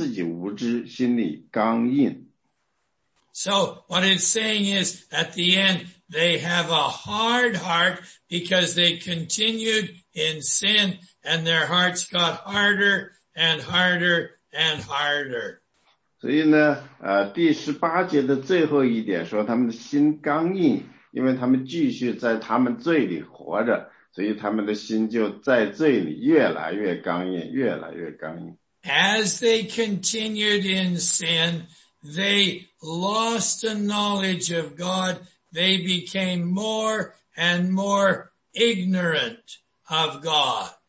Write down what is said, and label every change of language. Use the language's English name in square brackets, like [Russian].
[Chinese] 所以第18节说他们心地昏睦与神所赐的生命隔绝了都因自己无知心里刚硬。 [English] So what it's saying is, at the end, they have a hard heart because they continued in sin and their hearts got harder and harder and harder. [Chinese] 所以呢，第18节的最后一点说，他们的心刚硬，因为他们继续在他们罪里活着，所以他们的心就在罪里越来越刚硬，越来越刚硬。 [English] As they continued in sin, they lost the knowledge of God. They became more and more ignorant of God.